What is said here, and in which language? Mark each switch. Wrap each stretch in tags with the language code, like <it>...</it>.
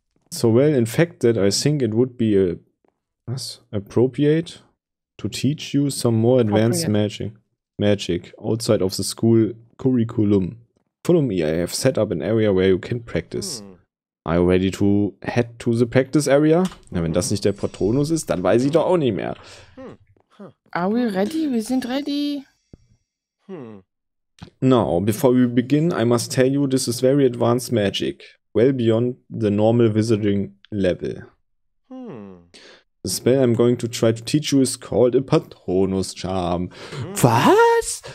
<en>So well, in fact, that I think it would be appropriate to teach you some more advanced magic outside of the school curriculum. Follow me, I have set up an area where you can practice. Are you ready to head to the practice area?</en> <de>Ja, wenn das nicht der Patronus ist, dann weiß ich doch auch nicht mehr.</de> <en>Are we ready?</en> <de>Wir sind ready.</de> <en>Now, before we begin, I must tell you this is very advanced magic. Well beyond the normal wizarding level. The spell I'm going to try to teach you is called a Patronus Charm.</en> <de>Was?</de>